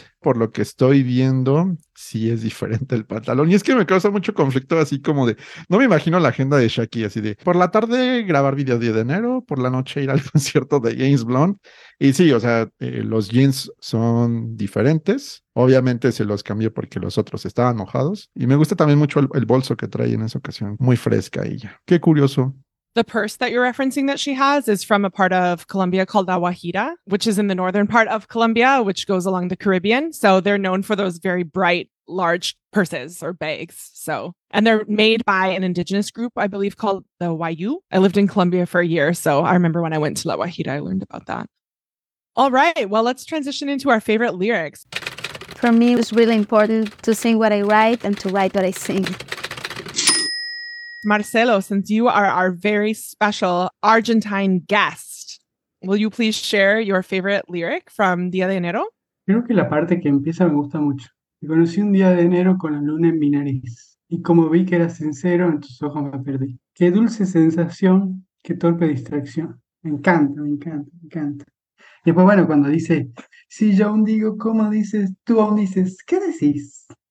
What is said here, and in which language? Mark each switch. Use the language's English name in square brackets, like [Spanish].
[Spanish] Por lo que estoy viendo, sí es diferente el pantalón. Y es que me causa mucho conflicto, así como de, no me imagino la agenda de Shaki, así de, por la tarde grabar video 10 de enero, por la noche ir al concierto de James Blunt. Y sí, o sea, los jeans son diferentes. Obviamente se los cambió porque los otros estaban mojados. Y me gusta también mucho el bolso que trae en esa ocasión. Muy fresca ella. Qué curioso. [English] The purse that you're referencing that she has is from a part of Colombia called La Guajira, which is in the northern part of Colombia, which goes along the Caribbean. So they're known for those very bright, large purses or bags. So, and they're made by an indigenous group, I believe, called the Wayuu. I lived in Colombia for a year, so I remember when I went to La Guajira, I learned about that. All right, well, let's transition into our favorite lyrics. For me, it was really important to sing what I write and to write what I sing. Marcelo, since you are our very special Argentine guest, will you please share your favorite lyric from Día de Enero? [Spanish] Creo que la parte que empieza me gusta mucho. Te conocí un día de enero con la luna en mi nariz. Y como vi que eras sincero, en tus ojos me perdí. Qué dulce sensación, qué torpe distracción. Me encanta, me encanta, me encanta. Y después, bueno, cuando dice, si yo aún digo cómo dices, tú aún dices, ¿qué decís?